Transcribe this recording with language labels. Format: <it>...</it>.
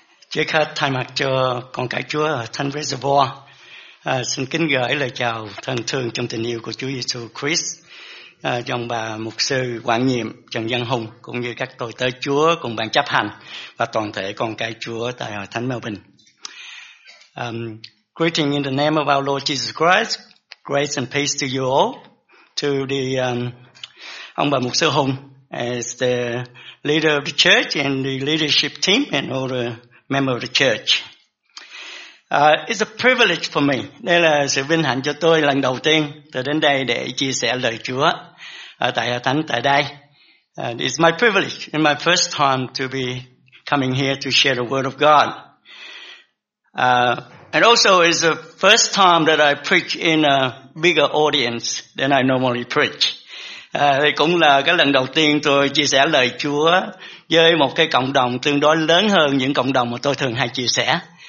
<vi>Trước hết thay mặt cho con cái Chúa thân Reservoir, xin kính gửi lời chào thân thương trong tình yêu của Chúa Giêsu Christ, dòng bà mục sư quản nhiệm Trần Văn Hùng cũng như các tôi tớ Chúa cùng ban chấp hành và toàn thể con cái Chúa tại Hội Thánh Melbourne.</vi> <en>Greeting in the name of our Lord Jesus Christ, grace and peace to you all, to the</en> <vi>ông bà mục sư</vi> <en>Hùng as the leader of the church and the leadership team and all the member of the church. It's a privilege for me.</en> <vi>Đây là sự vinh hạnh cho tôi lần đầu tiên tôi đến đây để chia sẻ lời Chúa tại Hội Thánh tại đây.</vi> <en>It's my privilege and my first time to be coming here to share the Word of God. And also it's the first time that I preach in a bigger audience than I normally preach.</en> <vi>Thì cũng là cái lần đầu tiên tôi chia sẻ lời Chúa với một cái cộng đồng tương đối lớn hơn những cộng đồng mà tôi thường hay chia sẻ.</vi>